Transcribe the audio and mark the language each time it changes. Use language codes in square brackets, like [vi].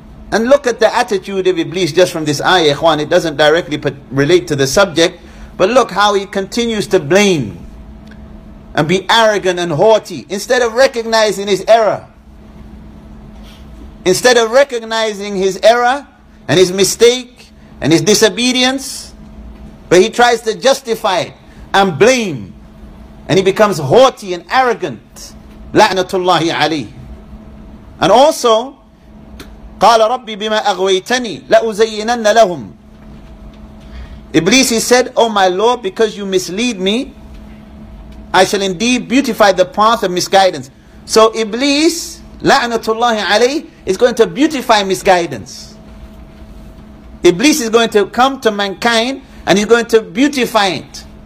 [en] And look at the attitude of Iblis just from this ayah, ikhwan. It doesn't directly relate to the subject, but look how he continues to blame and be arrogant and haughty instead of recognizing his error. Instead of recognizing his error and his mistake and his disobedience, but he tries to justify it and blame, and he becomes haughty and arrogant. [ar] La'natullahi alayh. [en] And also, [ar] قال ربي بما أغويتني لأزينن لهم. [en] Iblis, he said, oh my Lord, because you mislead me, I shall indeed beautify the path of misguidance. So Iblis, la'natullahi alayh, is going to beautify misguidance. Iblis is going to come to mankind and he's going to beautify it.